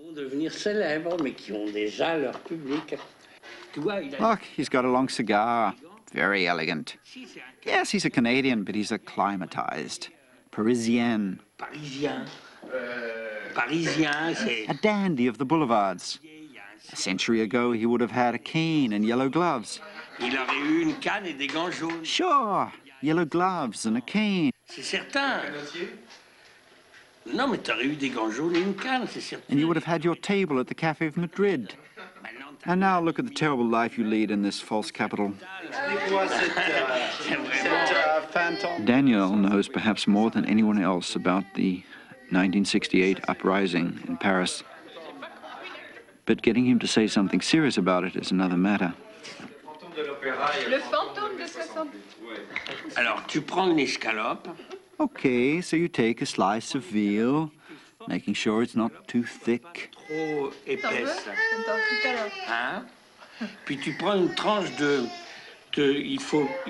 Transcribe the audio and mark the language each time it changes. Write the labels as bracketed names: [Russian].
[English] Look, he's got a long cigar. very elegant. Yes, he's a Canadian, but he's acclimatized. Parisien. [French] Parisien. Parisien, c'est... [English] A dandy of the boulevards. A century ago, he would have had a cane and yellow gloves. [French] Il aurait eu une canne et des gants jaunes. [English] Sure, yellow gloves and a cane. [French] C'est certain. Non, mais t'aurais eu des gants jaunes et une canne, c'est certain. [English] And you would have had your table at the Café of Madrid. And now look at the terrible life you lead in this false capital. Daniel knows perhaps more than anyone else about the 1968 uprising in Paris. But getting him to say something serious about it is another matter. [French] Le fantôme de 60. Alors, tu prends une escalope. [English] Okay, so you take a slice of veal, making sure it's not too thick. [French] Trop épaisse. Hein? Puis tu prends une tranche de il faut